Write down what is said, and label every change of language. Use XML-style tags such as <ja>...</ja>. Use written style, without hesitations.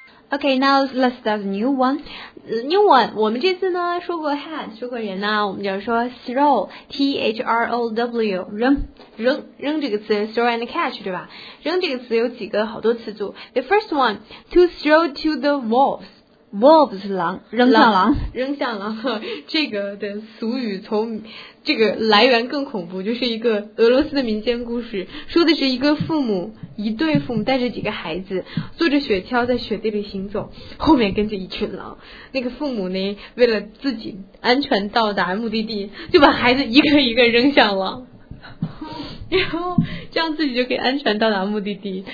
<en>Okay, now let's start the new one. New one,</en> <zh>我们这次呢说过 head, 说过人呢，我们就说 throw, T-H-R-O-W, 扔这个词</zh> <en>throw and catch,</en> <zh>对吧？扔这个词有几个好多词组。</zh> <en>The first one, to throw to the wolves.</en> <zh>Wolves, 狼，扔向狼。扔向狼，这个的俗语从这个来源更恐怖，就是一个俄罗斯的民间故事，说的是一个父母，一对父母带着几个孩子坐着雪橇在雪地里行走，后面跟着一群狼。那个父母呢，为了自己安全到达目的地，就把孩子一个一个扔向狼，然后这样自己就可以安全到达目的地。</zh>